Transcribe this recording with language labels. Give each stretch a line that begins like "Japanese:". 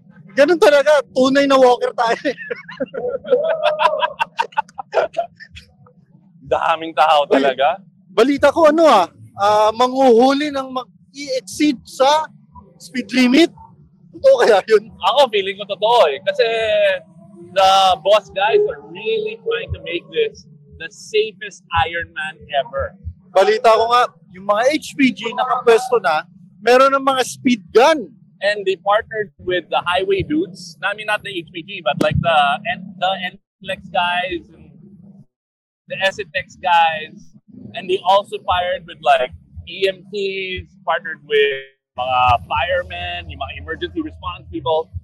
Filipino: Ganun talaga, tunay na walker tayo. Daming tao talaga. Uy, balita ko ano ah, manghuhuli ng mag-i-exceed sa speed limit. Totoo kaya yun? Ako, feeling ko totoo eh.
English: Kasi the boss guys are really trying to make this the safest Ironman ever.
Filipino: Balita ko nga, yung mga HPG nakapwesto na, meron ng mga speed gun.
English: And they partnered with the highway dudes. I mean, not the HPG, but like the NFlex guys and the SFX guys. And they also partnered with like EMTs, partnered with firemen,
Filipino: yung mga
English: emergency response people.